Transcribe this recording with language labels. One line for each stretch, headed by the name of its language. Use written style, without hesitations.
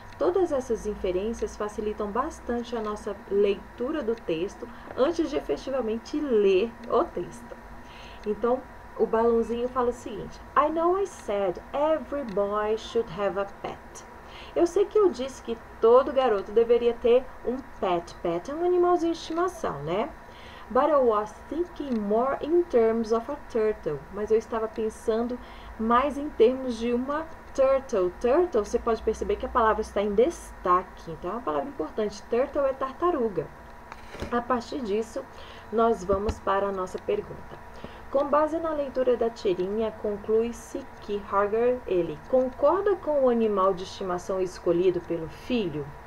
Portuguese: Todas essas inferências facilitam bastante a nossa leitura do texto antes de efetivamente ler o texto. Então, o balãozinho fala o seguinte:
English: I know I said every boy should have a pet.
Portuguese: Eu sei que eu disse que todo garoto deveria ter um pet. Pet é um animalzinho de estimação, né?
English: But I was thinking more in terms of a turtle.
Portuguese: Mas eu estava pensando mais em termos de uma turtle. Turtle, você pode perceber que a palavra está em destaque. Então é uma palavra importante. Turtle é tartaruga. A partir disso, nós vamos para a nossa pergunta. Com base na leitura da tirinha, conclui-se que Harger, ele concorda com o animal de estimação escolhido pelo filho?